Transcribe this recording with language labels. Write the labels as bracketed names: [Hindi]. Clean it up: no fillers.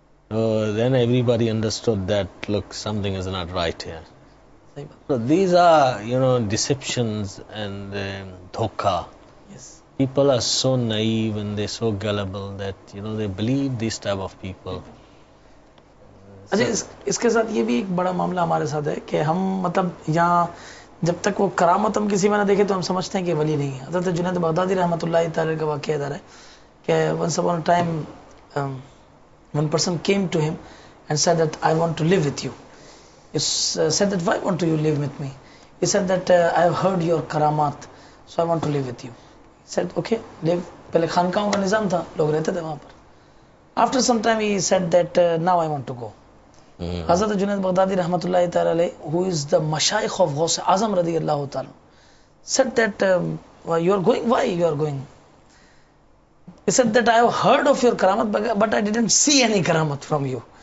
[English] So then everybody understood that, look, something is not right here. So these are, you know, deceptions and dhokha. Yes. People are so naive and they're so gullible that, you know, they believe these type of people. [Hindi] अरे इसके साथ ये भी एक बड़ा मामला हमारे साथ है कि हम मतलब यहाँ जब तक वो करामत हम किसी में ना देखे तो हम समझते हैं कि वली नहीं है. अदरत जुनैद बगदादी रहमतुल्लाह ताला का वाक्य इधर है कि [English] Once upon a time one person came to him and said that I want to live with you. It's said that why want to you live with me. He said that I have heard your करामत so I want to live with you. Said okay live. [Hindi] पहले खानकाहों का निज़ाम था, लोग रहते थे वहाँ पर. [English] After some time he said that now I want to go. Hazrat Junaid Baghdadi rahmatullahi ta'ala alayh, who is the mashayikh of Ghawse Azam radiyallahu ta'ala, said that why you are going. He said that I have heard of your karamat but I didn't see any karamat from you.